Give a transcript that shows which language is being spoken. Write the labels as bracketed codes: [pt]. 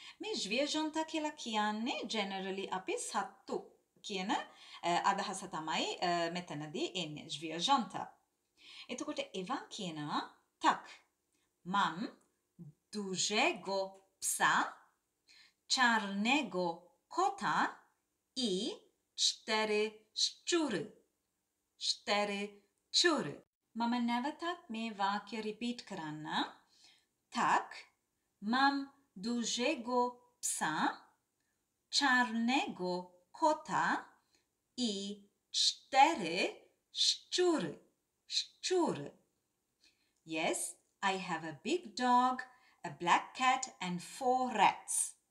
[si] මේ ජ්වියජන්තා කියලා කියන්නේ generally අපි සත්තු කියන අදහස තමයි මෙතනදී එන්නේ ජ්වියජන්තා. එතකොට එවන් කියනවා tak. [pl] Mam dużego psa, czarnego kota i cztery szczury. Cztery szczury. [si] Mam නැවතත් මේ වාක්‍ය repeat කරන්න. [pl] Tak. Mam dużego psa, czarnego kota i cztery szczury. Szczury. [en] Yes, I have a big dog, a black cat and four rats.